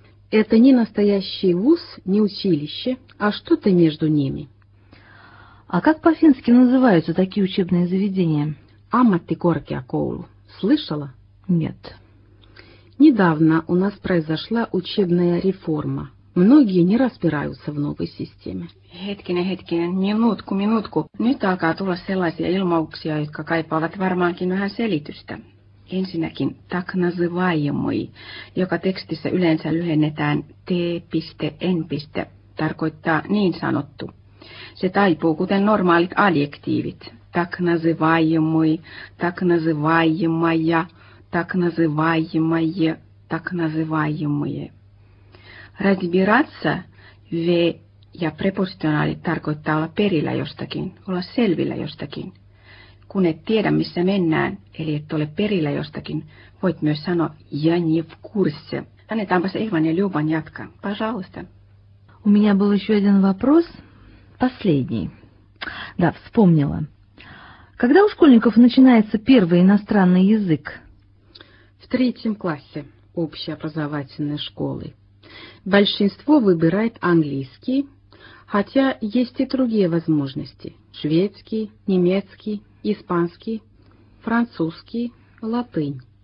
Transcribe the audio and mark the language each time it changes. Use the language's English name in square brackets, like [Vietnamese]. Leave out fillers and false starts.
[Russian] Это не настоящий вуз, не училище, а что-то между ними. А как по-фински называются такие учебные заведения? Аматтикоркеакоулу. Слышала? Нет. Недавно у нас произошла учебная реформа. Многие не разбираются в новой системе. [Finnish] Hetkinen, hetkinen, minuutku, minuutku. Nyt alkaa tulla sellaisia ilmauksia, jotka kaipaavat varmaankin vähän selitystä. Ensinnäkin tak называемый, joka tekstissä yleensä lyhennetään t.n. tarkoittaa niin sanottu. Se taipuu kuten normaalit adjektiivit. [Russian] Tak называемый, tak называемая, tak называемые, tak называемые. [Finnish] Разбираться в ja prepositionaali tarkoittaa olla perillä jostakin, olla selvillä jostakin. Kun et tiedä, missä mennään, eli et ole perillä jostakin, voit myös sanoa [Russian] «я не в курсе». [Finnish] Annetaanpa se Ivan ja Ljuban jatkaa. [Russian] Пожалуйста. У меня был еще один вопрос. Последний. Да, вспомнила. Когда у школьников начинается первый иностранный язык? В 3-м классе общеобразовательной школы. Большинство выбирает английский, хотя есть и другие возможности – шведский, немецкий, испанский, французский, латынь.